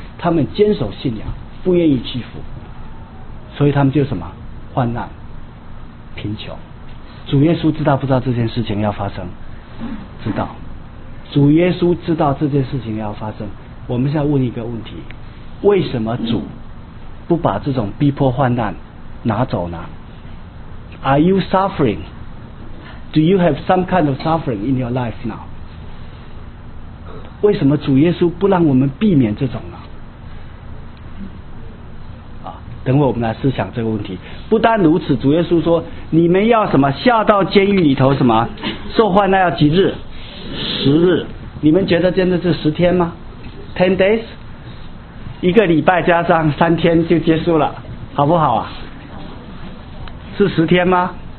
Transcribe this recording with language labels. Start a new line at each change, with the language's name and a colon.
Chinese: 他们坚守信仰，不愿意屈服，所以他们就什么患难贫穷。主耶稣知道不知道这件事情要发生？知道。主耶稣知道这件事情要发生。我们现在问一个问题，为什么主不把这种逼迫患难拿走呢？
English: Are you suffering? Do you have some kind of suffering in your life now?
Chinese: 为什么主耶稣不让我们避免这种呢？等会我们来思想这个问题。不单如此，主耶稣说你们要什么下到监狱里头什么受患难要几日？ 10日。你们觉得真的是10天吗？
English: 10 days，
Chinese: 一个礼拜加上3天就结束了，好不好啊？是10天吗？